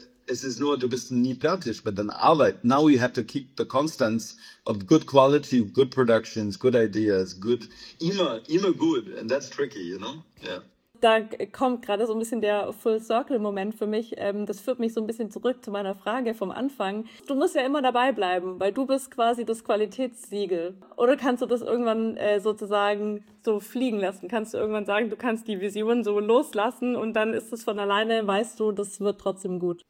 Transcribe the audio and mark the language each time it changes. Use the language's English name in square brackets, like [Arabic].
[German] Es ist nur, du bist nie fertig mit deiner Arbeit. [English] Now you have to keep the constants of good quality, good productions, good ideas, good, [German] immer gut. [English] And that's tricky, you know? Yeah. [German] Da kommt gerade so ein bisschen der Full-Circle-Moment für mich. Das führt mich so ein bisschen zurück zu meiner Frage vom Anfang. Du musst ja immer dabei bleiben, weil du bist quasi das Qualitätssiegel. Oder kannst du das irgendwann sozusagen so so fliegen lassen? Kannst du irgendwann sagen, du kannst die Vision so loslassen und dann ist es von alleine, weißt du, das wird trotzdem gut?